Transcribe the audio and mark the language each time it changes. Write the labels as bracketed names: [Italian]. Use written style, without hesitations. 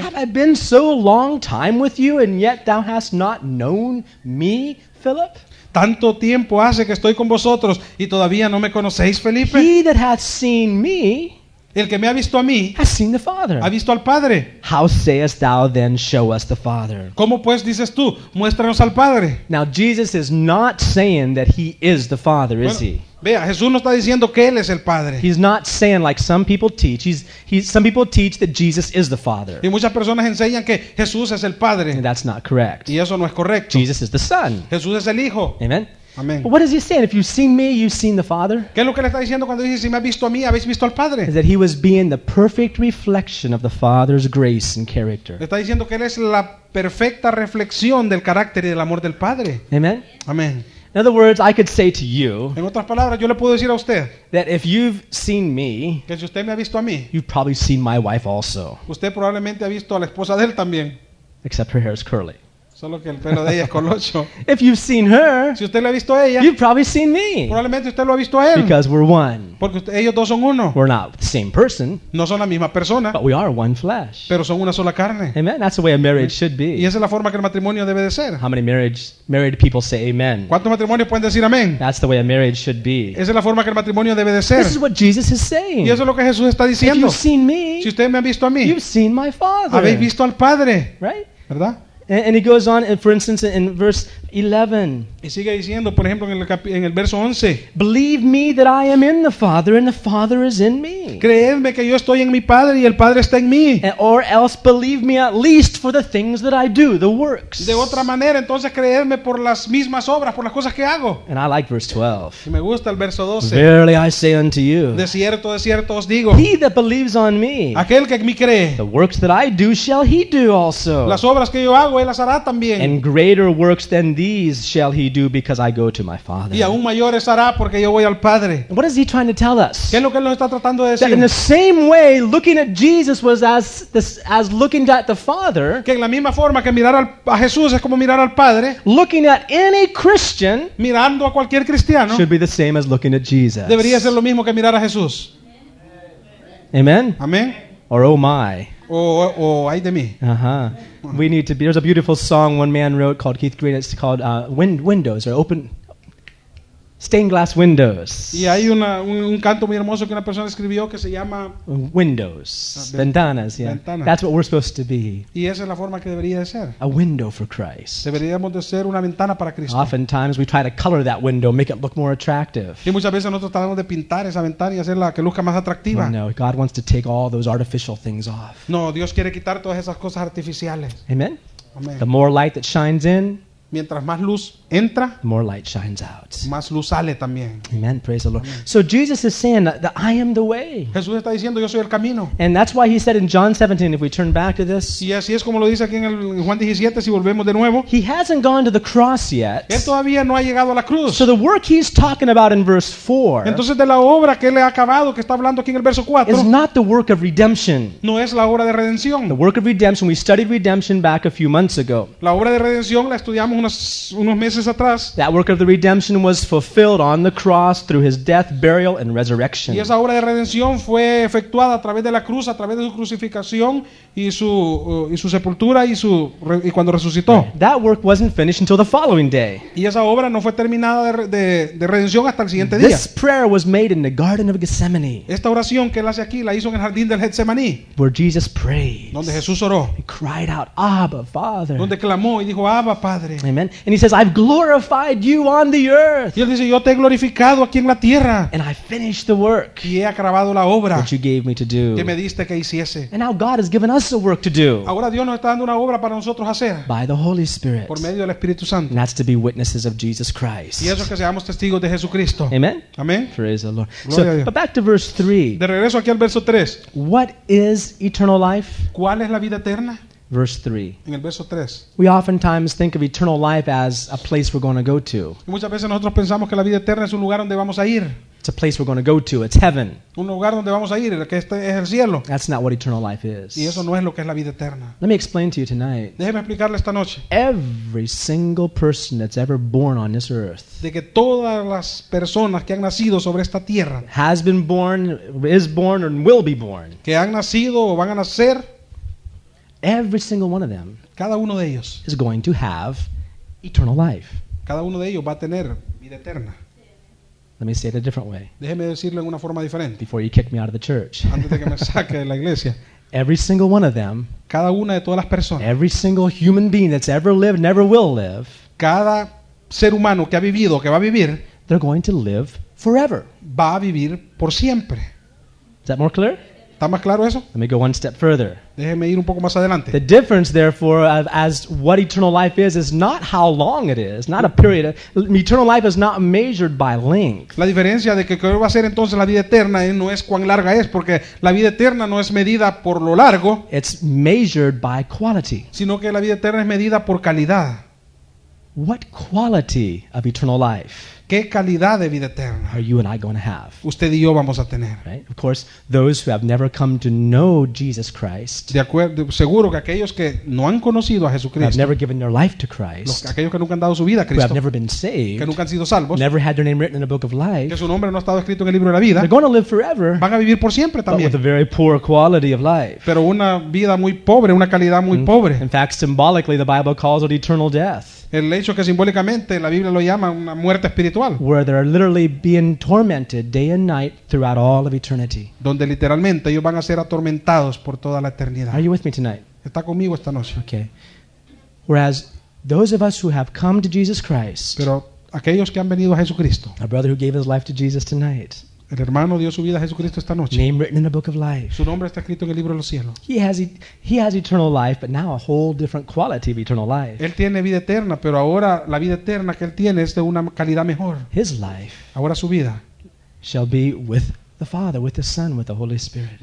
[English] "Have I been so long time with you, and yet thou hast not known me, Philip?" [Spanish] Tanto tiempo hace que estoy con vosotros, y todavía no me conocéis, Felipe. [English] "He that hath seen me," [Spanish] El que me ha visto a mí [English] has seen the Father. [Spanish] Ha visto al Padre. [English] How sayest thou then, show us the Father? [Spanish] ¿Cómo pues dices tú, muéstranos al Padre? [English] Now Jesus is not saying that he is the Father, [Spanish] bueno, [English] is he? [Spanish] Vea, Jesús no está diciendo que él es el Padre. [English] He's not saying like some people teach. Some people teach that Jesus is the Father. [Spanish] Y muchas personas enseñan que Jesús es el Padre. [English] And that's not correct. [Spanish] Y eso no es correcto. [English] Jesus is the Son. [Spanish] Jesús es el Hijo. [English] Amen. [Spanish] Amen. [English] But what is he saying? If you've seen me, you've seen the Father. [Spanish] ¿Qué es lo que le está diciendo cuando dice si me has visto a mí, habéis visto al Padre? [English] Is that he was being the perfect reflection of the Father's grace and character. [Spanish] Le está diciendo que él es la perfecta reflexión del carácter y del amor del Padre. [English] Amen. [Spanish] Amen. [English] In other words, I could say to you, [Spanish] en otras palabras, yo le puedo decir a usted, [English] that if you've seen me, [Spanish] que si usted me ha visto a mí, [English] you've probably seen my wife also. [Spanish] Usted probablemente ha visto a la esposa de él también. [English] Except her hair is curly. [Spanish] Solo que el pelo de ella es colocho. [English] If you've seen her, [Spanish] si usted le ha visto a ella, [English] you've probably seen me. [Spanish] Probablemente usted lo ha visto a él. [English] Because we're one. [Spanish] Porque ellos dos son uno. [English] We're not the same person. [Spanish] No son la misma persona. [English] But we are one flesh. [Spanish] Pero son una sola carne. [English] Amen. That's the way a marriage should be. [Spanish] Y esa es la forma que el matrimonio debe de ser. [English] How many married people say amen? [Spanish] ¿Cuántos matrimonios pueden decir amén? [English] That's the way a marriage should be. [Spanish] Esa es la forma que el matrimonio debe de ser. [English] This is what Jesus is saying. [Spanish] Y eso es lo que Jesús está diciendo. [English] If you've seen me, [Spanish] si usted me ha visto a mí, [English] you've seen my Father. [Spanish] Habéis visto al Padre. [English] Right? [Spanish] ¿Verdad? [English] And he goes on, for instance, in verse 11. [Spanish] Y sigue diciendo, por ejemplo, en el verso 11. [English] Believe me that I am in the Father, and the Father is in me. [Spanish] Creedme que yo estoy en mi Padre y el Padre está en mí. [English] Or else believe me at least for the things that I do, the works. [Spanish] De otra manera, entonces creedme por las mismas obras, por las cosas que hago. [English] And I like verse 12. [Spanish] Y me gusta el verso 12. [English] Verily I say unto you. [Spanish] De cierto os digo. [English] He that believes on me. [Spanish] Aquel que me cree. [English] The works that I do shall he do also. [Spanish] Las obras que yo hago él las hará también. [English] And greater works than these shall he do because I go to my Father. [Spanish] Y aún mayores hará porque yo voy al Padre. [English] What is he trying to tell us? [Spanish] ¿Qué es lo que él nos está tratando de decir? [English] That in the same way looking at Jesus was as looking at the Father. [Spanish] Que en la misma forma que mirar a Jesús es como mirar al Padre. [English] Looking at any Christian, [Spanish] mirando a cualquier cristiano, [English] should be the same as looking at Jesus. [Spanish] Debería ser lo mismo que mirar a Jesús. [English] Amen. [Spanish] Amen. [English] Or oh my. [Spanish] Oh, ay de mí. [English] Uh-huh. We need to be. There's a beautiful song one man wrote called Keith Green. It's called Windows or Open Stained Glass Windows. [Spanish] Y hay un canto muy hermoso que una persona escribió que se llama [English] Windows. [Spanish] Ventanas, [English] yeah. [Spanish] Ventana. [English] That's what we're supposed to be. [Spanish] Y esa es la forma que debería de ser. [English] A window for Christ. [Spanish] Deberíamos de ser una ventana para Cristo. [English] Oftentimes we try to color that window, make it look more attractive. [Spanish] Y muchas veces nosotros tratamos de pintar esa ventana y hacerla que luzca más atractiva. [English] No, God wants to take all those artificial things off. [Spanish] No, Dios quiere quitar todas esas cosas artificiales. [English] Amen. [Spanish] Amen. [English] The more light that shines in, [Spanish] mientras más luz entra, [English] more light shines out. [Spanish] Más luz sale también. [English] Amen. Praise the Lord. Amen. So Jesus is saying that I am the way. [Spanish] Jesús está diciendo yo soy el camino. [English] And that's why he said in John 17, if we turn back to this. [Spanish] Y así es como lo dice aquí en el Juan 17, si volvemos de nuevo. [English] He hasn't gone to the cross yet. [Spanish] Él todavía no ha llegado a la cruz. [English] So the work he's talking about in verse 4. [Spanish] Entonces de la obra que él ha acabado, que está hablando aquí en el verso 4. [English] Is not the work of redemption. [Spanish] No es la obra de redención. [English] The work of redemption, we studied redemption back a few months ago. [Spanish] La obra de redención la estudiamos unos meses atrás. [English] That work of the redemption was fulfilled on the cross through his death, burial, and resurrection. [Spanish] Y esa obra de redención fue efectuada a través de la cruz, a través de su crucificación y su sepultura y cuando resucitó. [English] Right. That work wasn't finished until the following day. [Spanish] Y esa obra no fue terminada de redención hasta el siguiente día. [English] This prayer was made in the Garden of Gethsemane. [Spanish] Esta oración que él hace aquí la hizo en el jardín del Getsemaní. [English] Where Jesus prayed. [Spanish] Donde Jesús oró. [English] He cried out, Abba, Father. [Spanish] Donde clamó y dijo, Abba, Padre. [English] Amen. And he says, I've glorified you on the earth. [Spanish] Y él dice, yo te he glorificado aquí en la tierra. [English] And I finished the work. [Spanish] Y he acabado la obra. [English] That you gave me to do. [Spanish] Que me diste que hiciese. [English] And now God has given us a work to do. [Spanish] Ahora Dios nos está dando una obra para nosotros hacer. [English] By the Holy Spirit. [Spanish] Por medio del Espíritu Santo. [English] And that's to be witnesses of Jesus Christ. [Spanish] Y eso es que seamos testigos de Jesucristo. [English] Amen. [Spanish] Amen. [English] Praise the Lord. [Spanish] Gloria a Dios. [English] But back to verse 3. [Spanish] De regreso aquí al verso 3. [English] What is eternal life? [Spanish] ¿Cuál es la vida eterna? [English] Verse 3. [Spanish] En el verso 3. [English] We oftentimes think of eternal life as a place we're going to go to. [Spanish] Y muchas veces nosotros pensamos que la vida eterna es un lugar donde vamos a ir. [English] It's a place we're going to go to. It's heaven. [Spanish] Un lugar donde vamos a ir, que este es el cielo. [English] That's not what eternal life is. [Spanish] Y eso no es lo que es la vida eterna. [English] Let me explain to you tonight. [Spanish] Déjeme explicarle esta noche. [English] Every single person that's ever born on this earth. [Spanish] De que todas las personas que han nacido sobre esta tierra. [English] Has been born, is born, and will be born. [Spanish] Que han nacido o van a nacer. [English] Every single one of them, [Spanish] cada uno de ellos, [English] is going to have eternal life. [Spanish] Cada uno de ellos va a tener vida eterna. [English] Let me say it a different way. [Spanish] Déjeme decirlo en una forma diferente. [English] Before you kick me out of the church. [Spanish] Antes de que me saque de la iglesia. [English] Every single one of them. [Spanish] Cada una de todas las personas. [English] Every single human being that's ever lived, never will live. [Spanish] Cada ser humano que ha vivido, que va a vivir. [English] They're going to live forever. [Spanish] Va a vivir por siempre. [English] Is that more clear? [Spanish] ¿Está más claro eso? [English] Let me go one step further. [Spanish] Déjeme ir un poco más adelante. [English] The difference, therefore, of as what eternal life is not how long it is, not a period. Eternal life is not measured by length. [Spanish] La diferencia de que va a ser entonces la vida eterna no es cuán larga es, porque la vida eterna no es medida por lo largo. [English] It's measured by quality. [Spanish] Sino que la vida eterna es medida por calidad. [English] What quality of eternal life? [Spanish] ¿Qué calidad de vida eterna? [English] Are you and I going to have? [Spanish] Usted y yo vamos a tener. [English] Right? Of course, those who have never come to know Jesus Christ. [Spanish] De acuerdo, seguro que aquellos que no han conocido a Jesucristo. [English] Have never given their life to Christ. [Spanish] Aquellos que nunca han dado su vida a Cristo. [English] Who have never been saved. [Spanish] Que nunca han sido salvos. [English] Never had their name written in the book of life. [Spanish] Que su nombre no ha estado escrito en el libro de la vida. [English] They're going to live forever. [Spanish] Van a vivir por siempre también. [English] But with a very poor quality of life. [Spanish] Pero una vida muy pobre, una calidad muy pobre. [English] In fact, symbolically, the Bible calls it eternal death. [Spanish] El hecho que simbólicamente la Biblia lo llama una muerte espiritual. [English] Where they're literally being tormented day and night throughout all of eternity. [Spanish] Donde literalmente ellos van a ser atormentados por toda la eternidad. [English] Are you with me tonight? [Spanish] ¿Está conmigo esta noche? [English] Okay. Whereas those of us who have come to Jesus Christ. [Spanish] Pero aquellos que han venido a Jesucristo. [English] A brother who gave his life to Jesus tonight. [Spanish] El hermano dio su vida a Jesucristo esta noche. [English] Name written in the book of life. [Spanish] Su nombre está escrito en el libro de los cielos. [English] He has eternal life, but now a whole different quality of eternal life. [Spanish] Él tiene vida eterna, pero ahora la vida eterna que él tiene es de una calidad mejor. [English] His life. [Spanish] Ahora su vida. [English] Shall be with the Father, with the Son, with the Holy Spirit.